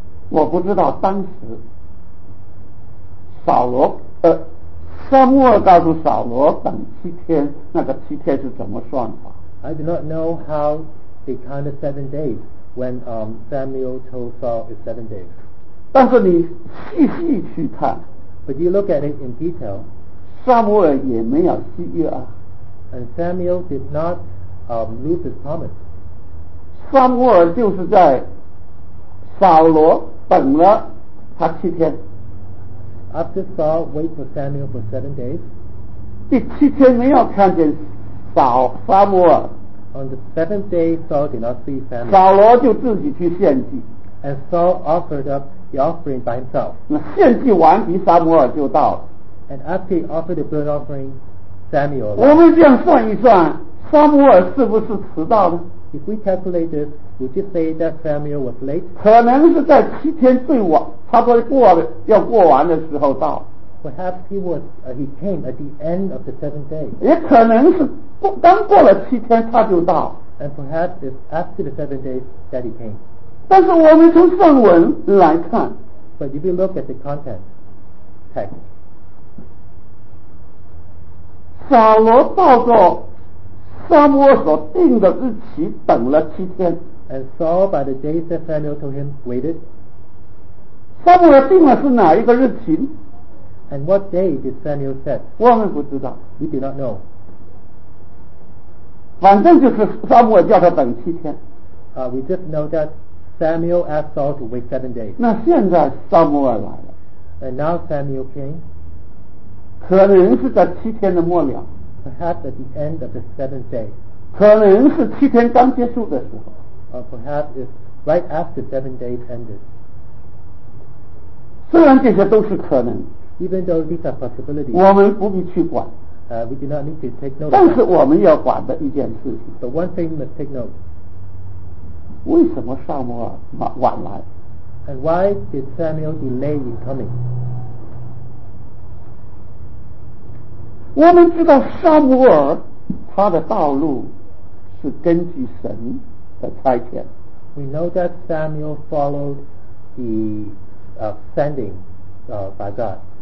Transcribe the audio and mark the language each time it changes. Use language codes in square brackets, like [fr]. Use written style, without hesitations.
[zh] 我不知道当时扫罗撒母耳告诉扫罗等七天，那个七天是怎么算法。 [en] I do not know how they counted 7 days when Samuel told Saul it's 7 days. [zh] 但是你细细去看， [en] But you look at it in detail， [zh] 撒母耳也没有失约啊。 [en] And Samuel did not lose his promise. [zh] 撒母耳就是在扫罗等了他七天。 [en] After Saul waited for Samuel for 7 days, [zh] 第七天没有看见扫撒母耳。 [en] On the seventh day, Saul did not see Samuel. [zh] 扫罗就自己去献祭。 [en] And Saul offered up the offering by himself. [zh] 那献祭完毕，撒母耳就到了。 [en] And after he offered the burnt offering, Samuel. [zh] 我们这样算一算，撒母耳是不是迟到呢？ [en] If we calculate this, would you say that Samuel was late? [zh] 可能是在七天最晚，差不多过了要过完的时候到。 [en] Perhaps he was, he came at the end of the seventh day. [zh] 也可能是过刚过了七天他就到。 [en] And perhaps it's after the seventh day that he came. [zh] 但是我们从上文来看。 [en] But if you look at the content, text. [zh] 扫罗到过撒母耳所定的日期等了七天。 [en] And Saul, by the day that Samuel told him, waited. [zh] 撒母耳定了是哪一个日期？ [en] And what day did Samuel set? [zh] 我们不知道。 [en] We do not know. [zh] 反正就是撒母耳叫他等七天。 [en] We just know that Samuel asked Saul to wait 7 days. [zh] 那现在撒母耳来了。 [en] And now Samuel came. [zh] 可能是在七天的末了。 [en] Perhaps at the end of the seventh day. [zh] 可能是七天刚结束的时候。 [en] Perhaps it's right after 7 days ended. [zh] 虽然这些都是可能。 [en] Even though these are possibilities, [zh] 我们不必去管。 [en] We do not need to take note. [zh] 但是我们要管的一件事情。 [en] But one thing must take note. [zh] 为什么撒母耳晚来？ [en] And why did Samuel delay in coming? [zh] 我们知道撒母耳他的道路是根据神的差遣。 [en] We know that Samuel followed the sending by God.